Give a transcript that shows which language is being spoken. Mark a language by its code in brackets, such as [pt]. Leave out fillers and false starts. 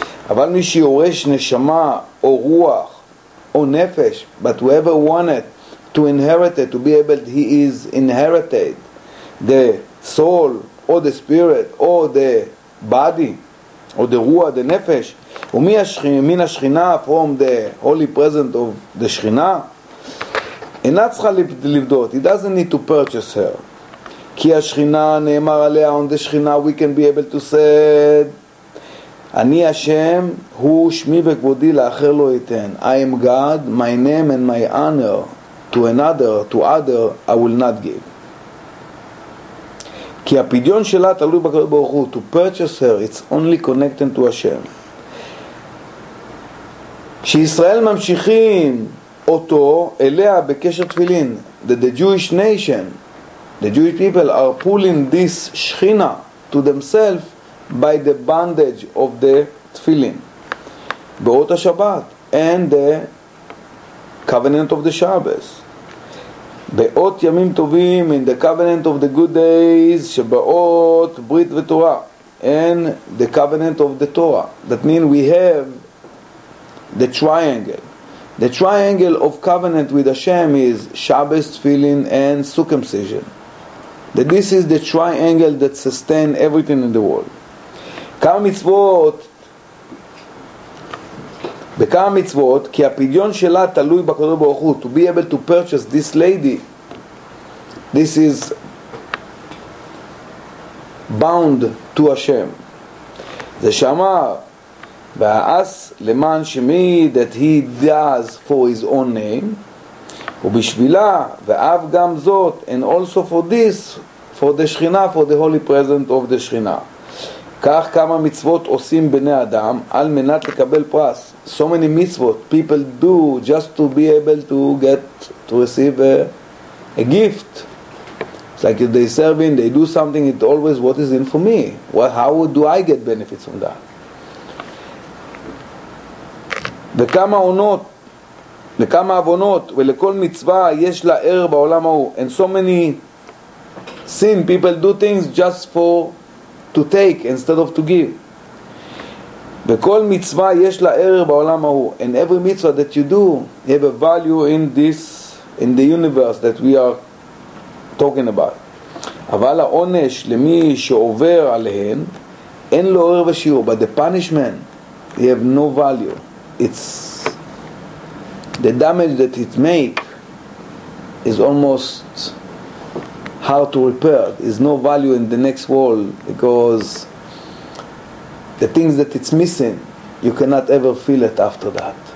[he] אבל מי שיורש נשמה או רוח או נפש, [en] but whoever wanted to inherit it, to be able to, he is inherited the soul or the spirit or the body, or the ruah, the nefesh, ומן השכינה, from the holy present of the שכינה, [he] אינה צריכה לבדות, [en] he doesn't need to purchase her. [he] כי השכינה נאמר עליה, [en] on the [he] שכינה, [en] we can be able to say, [he] אני השם, הוא שמי וכבודי לאחר לא ייתן. [en] I am God, my name and my honor to another, to other, I will not give. [he] כי הפדיון שלה תלוי בקדוש ברוך הוא. [en] To purchase her, it's only connected to Hashem. [he] שישראל ממשיכים אותו אליה בקשר תפילין. [en] That the Jewish nation, the Jewish people are pulling this שכינה to themselves by the bondage of the תפילין. [he] באות השבת [en] and the covenant of the Shabbos. [he] באות ימים טובים, [en] in the covenant of the good days, [he] שבאות ברית ותורה, [en] and the covenant of the Torah. That means we have the triangle. The triangle of covenant with Hashem is Shabbos, Tefillin, and circumcision. That this is the triangle that sustains everything in the world. [he] כמה מצוות בכמה מצוות, כי הפדיון שלה תלוי בקדוש ברוך הוא. [en] To be able to purchase this lady, this is bound to Hashem. [he] זה שאמר, והאס למען שמי, [en] that he does for his own name, [he] ובשבילה, ואף גם זאת, [en] and also for this, for the שכינה, for the holy present of the שכינה. [he] כך כמה מצוות עושים בני אדם על מנת לקבל פרס. [en] So many mitzvot people do just to be able to get to receive a gift. It's like if they serve in, they do something, it always what is in for me. Well, how do I get benefits from that? [he] וכמה עונות, לכמה אבונות, ולכל מצווה יש לה ער בעולם ההוא. [en] And so many sin people do things just for to take instead of to give. [he] וכל מצווה יש לה ערך בעולם ההוא. [en] And every mitzvah that you do have a value in this, in the universe that we are talking about. [he] אבל העונש למי שעובר עליהן אין לו ערך ושיעור. [en] But the punishment, you have no value. It's the damage that it makes is almost hard to repair. There's no value in the next world because the things that it's missing, you cannot ever feel it after that.